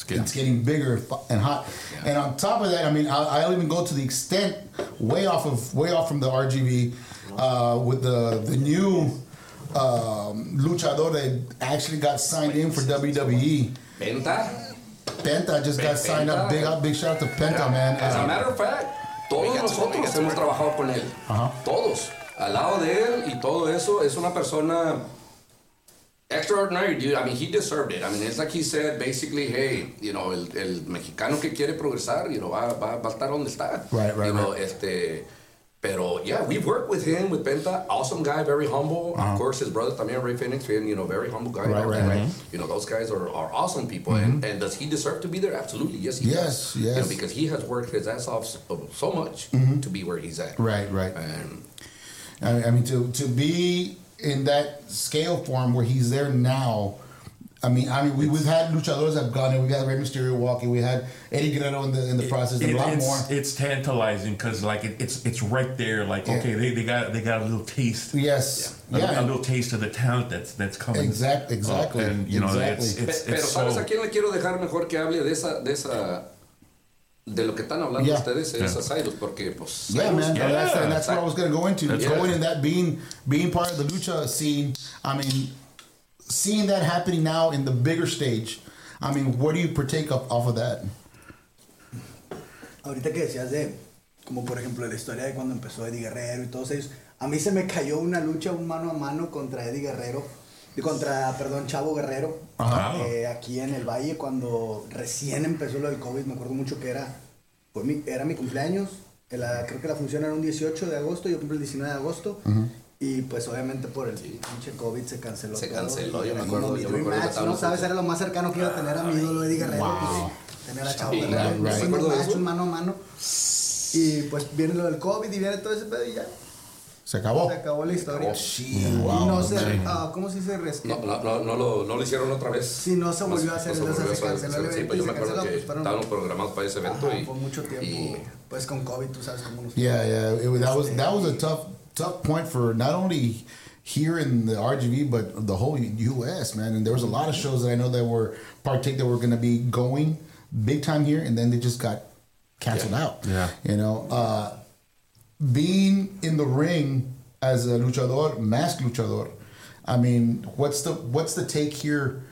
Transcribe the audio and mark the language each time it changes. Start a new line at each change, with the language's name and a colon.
English: It's getting bigger and hot. Yeah. And on top of that, I mean, I'll even go to the extent way off from the RGB with the new luchador that actually got signed in for WWE. Penta just got signed up. Big shout out to Penta, yeah, man. As a matter of fact,
Spanish: todos nosotros hemos trabajado con él. Uh-huh. Todos. Al lado de él y todo eso, es una persona
English: extraordinary, dude. I mean, he deserved it. I mean, it's like he said, basically, hey, you know,
Spanish: el mexicano que quiere progresar,
English: you know,
Spanish: va a estar donde está.
English: Right. You know,
Spanish: Pero
English: yeah, we've worked with him, with Penta. Awesome guy, very humble. Uh-huh. Of course, his brother
Spanish: también,
English: Ray Phoenix, and, you know, very humble guy. Right, right. Right. You know, those guys are awesome people. Mm-hmm. And does he deserve to be there? Absolutely. Yes, he yes, does. Yes, yes. You know, because he has worked his ass off so much mm-hmm. to be where he's at. Right, right. And I mean, to be in that scale form where he's there now. I mean, we've had luchadores that have gone in. We've had Rey Mysterio walking. We had Eddie Guerrero in the process. A lot more. It's tantalizing because like it's right there. Like yeah. Okay, they got a little taste. Yes. Yeah. A little taste of the talent that's coming. Exactly. And you know exactly. it's
Spanish: pero sabes a quién le quiero dejar mejor que hable de esa de lo que están hablando
English: yeah.
Spanish: ustedes es
English: yeah.
Spanish: a Cyrus porque pues
English: yeah man yeah. That's what I was gonna go into that's going yeah. in that being part of the lucha scene. I mean. Seeing that happening now in the bigger stage, I mean, what do you partake up off of that?
Spanish: Ahorita que decías de, como por ejemplo, la historia de cuando empezó Eddie Guerrero y todos ellos, a mí se me cayó una lucha un mano a mano contra Eddie Guerrero, Chavo Guerrero, uh-huh. Aquí en el Valle, cuando recién empezó lo del COVID, me acuerdo mucho que era mi cumpleaños, creo que la función era un 18 de agosto, yo cumplí el 19 de agosto, uh-huh. Y pues obviamente por el pinche sí. COVID se canceló. Se canceló, yo me acuerdo. Yo me acuerdo match, que no sabes, era lo más cercano que iba a tener a mi ídolo Eddie Guerrero.
English: Wow.
Spanish: Pues, tener a Chavo Guerrero.
English: Right. Right.
Spanish: Un mano a mano. Y pues viene lo del COVID y viene todo ese pedo y ya. Se acabó. Se acabó la historia. Sí. Wow, y no se... ¿cómo se dice? No lo hicieron otra vez. Sí, no se volvió a hacer. Entonces se canceló el evento. Sí, pues yo me acuerdo que estábamos programados para ese evento. Y fue mucho tiempo. Pues con COVID tú sabes cómo nos...
English: Yeah. That was a tough point for not only here in the RGV, but the whole U.S., man. And there was a lot of shows that I know that were partake that were going to be going big time here, and then they just got canceled out. Yeah. You know, being in the ring as a luchador, masked luchador, I mean, what's the take here?